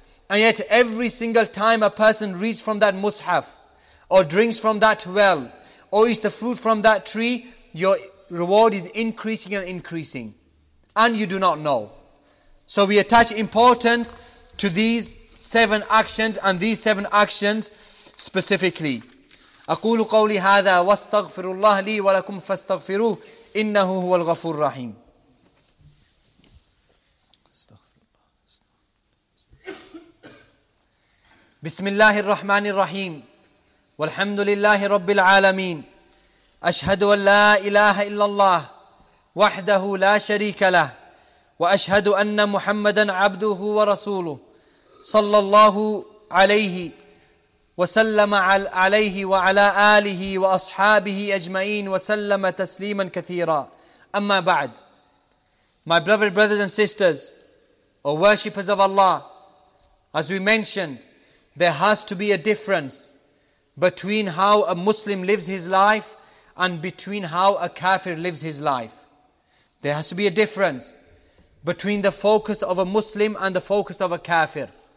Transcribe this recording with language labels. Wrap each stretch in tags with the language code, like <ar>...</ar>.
<en>And yet every single time a person reads from that mushaf, or drinks from that well, or eats the fruit from that tree, your reward is increasing and increasing, and you do not know. So we attach importance to these seven actions, and these seven actions specifically.</en> <ar>أقول قولي هذا واستغفر الله لي ولكم فاستغفروه إنه هو الغفور الرحيم. بسم الله الرحمن الرحيم والحمد لله رب العالمين أشهد أن لا إله إلا الله وحده لا شريك له وأشهد أن محمدا عبده ورسوله صلى الله عليه وسلم عليه وعلى آله وأصحابه أجمعين وسلم تسليما كثيرا أما بعد.</ar> <en>My beloved brothers and sisters, or worshippers of Allah, as we mentioned, there has to be a difference between how a Muslim lives his life and between how a kafir lives his life. There has to be a difference between the focus of a Muslim and the focus of a kafir.</en>